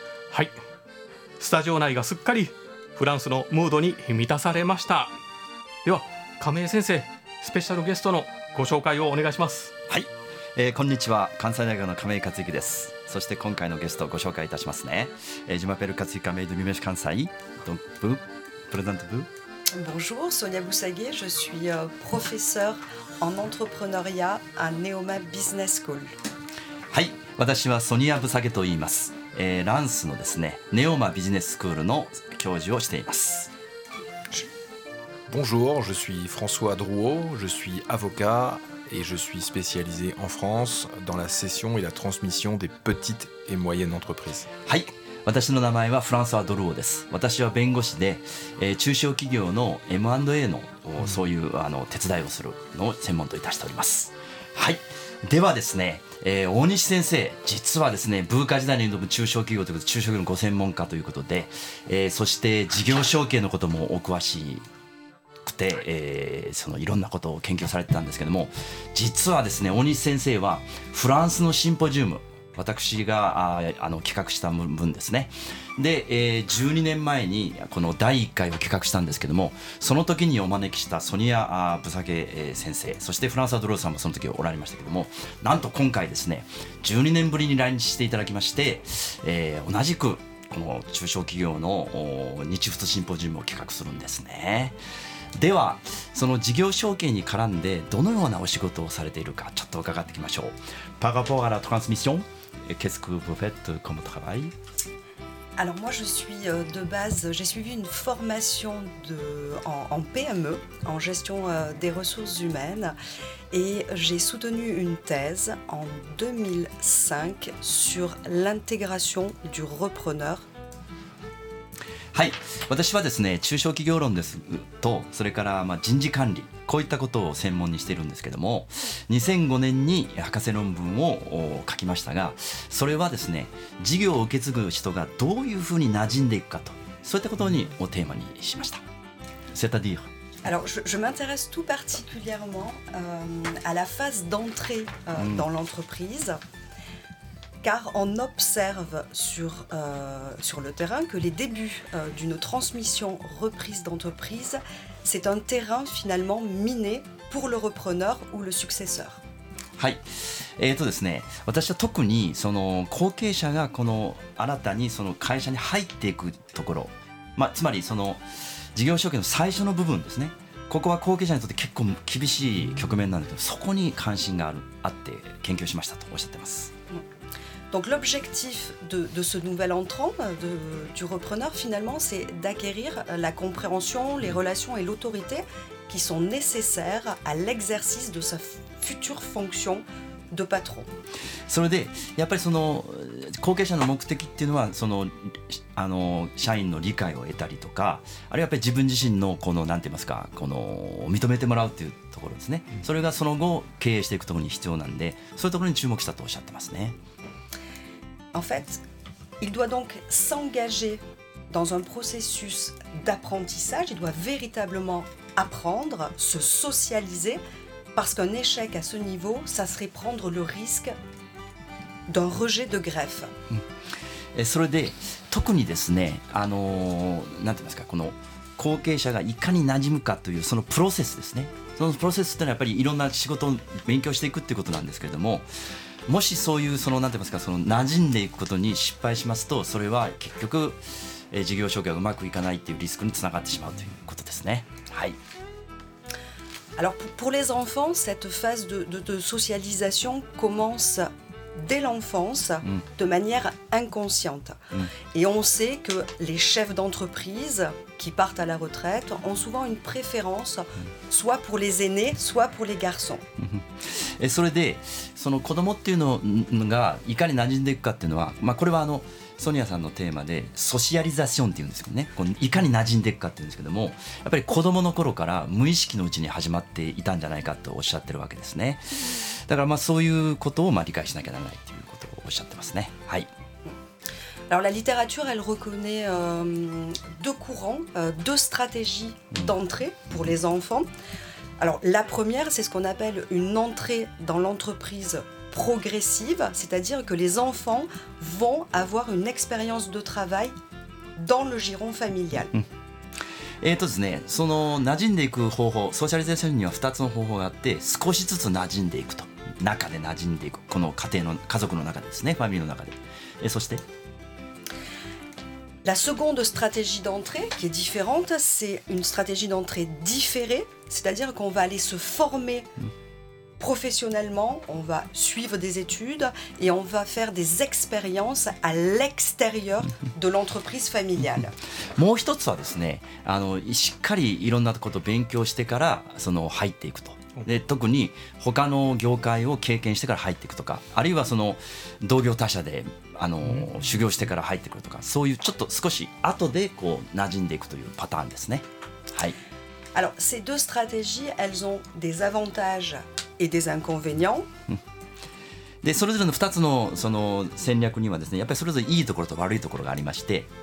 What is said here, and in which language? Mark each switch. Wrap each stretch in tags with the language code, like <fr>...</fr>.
<ja>はい、スタジオ内がすっかりフランスのムードに満たされました。では亀井先生、スペシャルゲストのご紹介をお願いします。はい、こんにちは、関西大学の亀井勝之です。そして今回のゲストをご紹介いたしますね。ジマペル勝之、メイドミメシ関西ドンプレゼントブ。</ja> <fr>Bonjour, Sonia Boussaguet, je suis professeur en entrepreneuriat à Neoma Business School.</fr> <ja>はい、私はソニア・ブサゲと言います。ランスのですね、ネオマビジネススクールの教授をしています。</ja> <fr>Bonjour, je suis François Drouot, je suis avocat et je suis spécialisé en France dans la cession et la transmission des petites et moyennes entreprises.</fr> <ja>はい、私の名前はフランソワ・ドルオです。私は弁護士で、中小企業の M&A の、そういう手伝いをするのを専門といたしております。はい、ではですね、大西先生、実はですね、ブーカ時代に挑む中小企業ということで、中小企業のご専門家ということで、そして事業承継のこともお詳しくて、そのいろんなことを研究されてたんですけども、実はですね、大西先生はフランスのシンポジウム、私が企画した分ですね、で、12年前にこの第1回を企画したんですけども、その時にお招きしたソニア・ブサゲ先生、そしてフランソワ・ドルオさんもその時おられましたけども、なんと今回ですね、12年ぶりに来日していただきまして、同じくこの中小企業の日仏シンポジウムを企画するんですね。ではその事業承継に絡んで、どのようなお仕事をされているか、ちょっと伺っていきましょう。</ja> <fr>Par rapport à la transmission, qu'est-ce que vous faites comme travail? Alors moi je suis de base, j'ai suivi une formation en PME, en gestion des ressources humaines, et j'ai soutenu une thèse en 2005 sur l'intégration du repreneur.</fr> <ja>はい、私はですね、中小企業論ですと、それから人事管理、こういったことを専門にしているんですけども、2005年に博士論文を書きましたが、それはですね、事業を受け継ぐ人がどういうふうに馴染んでいくかと、そういったことにをテーマにしました。</ja> <fr>C'est-à-dire? Alors, je m'intéresse tout particulièrement à la phase d'entrée dans l'entreprise. Car on observe sur le terrain que les débuts d'une transmission reprise d'entreprise, c'est un terrain finalement miné pour le repreneur ou le successeur.</fr> <ja>はい、ですね、私は特にその後継者がこの新たにその会社に入っていくところ、つまりその事業承継の最初の部分ですね。ここは後継者にとって結構厳しい局面なんですけど、そこに関心があって研究しましたとおっしゃってます。</ja> <fr>Donc l'objectif de ce nouvel entrant, du repreneur finalement, c'est d'acquérir la compréhension, les relations et l'autorité qui sont nécessaires à l'exercice de sa future fonction de patron.</fr> <ja>それでやっぱりその後継者の目的っていうのは、その社員の理解を得たりとか、あるいはやっぱり自分自身のこのなんて言いますか、この認めてもらうっていうところですね。それがその後経営していくところに必要なんで、そういうところに注目したとおっしゃってますね。</ja> <fr>En fait, il doit donc s'engager dans un processus d'apprentissage. Il doit véritablement apprendre, se socialiser, parce qu'un échec à ce niveau, ça serait prendre le risque d'un rejet de greffe. Et</fr> <ja>それで、特にですね、なんて言いますか、この後継者がいかに馴染むかというそのプロセスですね。そのプロセスというのはやっぱりいろんな仕事を勉強していくっていうことなんですけれども。もしそういうそのなんて言いますか、その馴染んでいくことに失敗しますと、それは結局事業承継がうまくいかないっていうリスクにつながってしまうということですね。</ja> <fr>Alors pour les enfants, cette phase de socialisation commence dès l'enfance, de manière inconsciente. Et on sait que les chefs d'entreprise qui partent à la retraite ont souvent une préférence, soit pour les aînés, soit pour les garçons. Et</fr> <ja>それで、その子供っていうのがいかに馴染んでいくかっていうのは、まあこれはあのソニアさんのテーマでソシアリザションっていうんですけどね、こういかに馴染んでいくかっていうんですけども、やっぱり子供の頃から無意識のうちに始まっていたんじゃないかとおっしゃってるわけですね。だからまあそういうことをまあ理解しなきゃならないっていうことをおっしゃってますね。はい。</ja> <fr>Alors la littérature, elle reconnaît deux courants, deux stratégies d'entrée pour les enfants. Alors la première, c'est ce qu'on appelle une entrée dans l'entreprise progressive, c'est-à-dire que les enfants vont avoir une expérience de travail dans le giron familial.</fr> <ja>ですね、その馴染んでいく方法、ソーシャリゼーションには2つの方法があって、少しずつ馴染んでいくと、中で馴染んでいく、この家庭の家族の中でですね、ファミリーの中で。そして、</ja> <fr>La seconde stratégie d'entrée, qui est différente, c'est une stratégie d'entrée différée, c'est-à-dire qu'on va aller se former professionnellement, on va suivre des études et on va faire des expériences à l'extérieur de l'entreprise familiale.</fr> <ja>もう一つはですね、あの、しっかりいろんなことを勉強してからその入っていくと。で、特に他の業界を経験してから入っていくとか、あるいはその同業他社で、あの、修行してから入ってくるとか、そういうちょっと少し後でこう馴染んでいくというパターンですね。はい。</ja> <fr>Alors, ces deux stratégies, elles ont des avantages et des inconvénients.</fr> <ja>で、それぞれの2つのその戦略にはですね、やっぱりそれぞれいいところと悪いところがありまして、</ja>